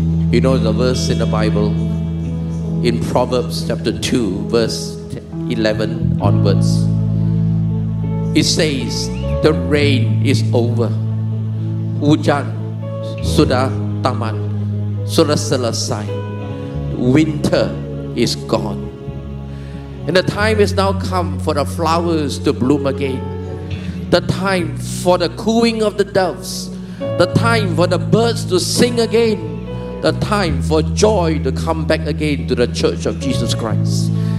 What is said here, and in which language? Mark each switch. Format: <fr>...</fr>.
<en>You know the verse in the Bible, in Proverbs chapter 2, verse 11 onwards. It says, the rain is over.</en> <ms>Hujan sudah tamat, sudah selesai.</ms> <en>Winter is gone. And the time is now come for the flowers to bloom again. The time for the cooing of the doves. The time for the birds to sing again. The time for joy to come back again to the church of Jesus Christ.</en>